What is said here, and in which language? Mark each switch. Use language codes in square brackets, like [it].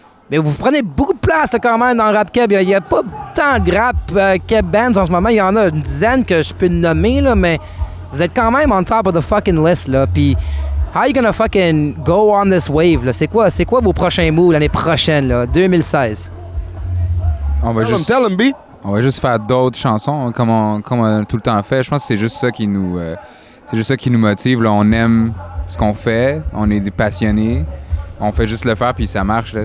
[fr] Mais vous prenez beaucoup de place là, quand même dans le rap keb. Il n'y a pas tant de rap keb bands en ce moment. Il y en a une dizaine que je peux nommer, là, mais vous êtes quand même [en] on top of the fucking list. [fr] Là. [en] Puis, how are you gonna fucking go on this wave? [fr] Là? C'est quoi vos prochains moves l'année prochaine, là, 2016? On va juste faire d'autres chansons comme on a tout le temps fait. Je pense que c'est juste ça qui nous, motive. Là. On aime ce qu'on fait, on est des passionnés. On fait juste le faire puis ça marche là.